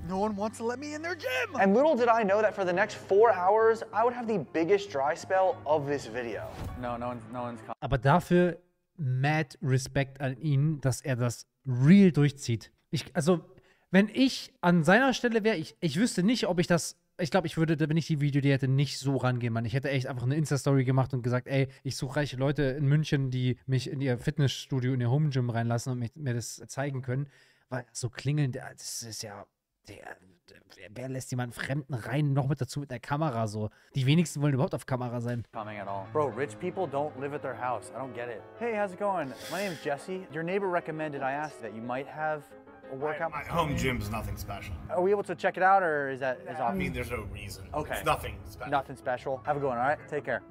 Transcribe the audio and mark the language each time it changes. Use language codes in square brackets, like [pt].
[en] No one wants to let me in their gym. And little did I know that for the next 4 hours, I would have the biggest dry spell of this video. No one's coming. [de] Aber dafür mad Respekt an ihn, dass er das real durchzieht. Wenn ich an seiner Stelle wäre, ich wüsste nicht, ob ich das... Ich glaube, ich würde, wenn ich die Video, die hätte, nicht so rangehen, Mann. Ich hätte echt einfach eine Insta-Story gemacht und gesagt, ey, ich suche reiche Leute in München, die mich in ihr Fitnessstudio, in ihr Homegym reinlassen und mir das zeigen können. Weil so klingeln, das ist ja... Wer lässt jemanden Fremden rein, noch mit dazu mit der Kamera so? Die wenigsten wollen überhaupt auf Kamera sein. [en] Coming at all. Bro, rich people don't live at their house. I don't get it. Hey, how's it going? My name is Jesse. Your neighbor recommended I ask that you might have a workout. My home gym is nothing special. Are we able to check it out or is that as often? I mean, there's no reason. Okay. It's nothing special. Nothing special. Have a good one, all right? Take care.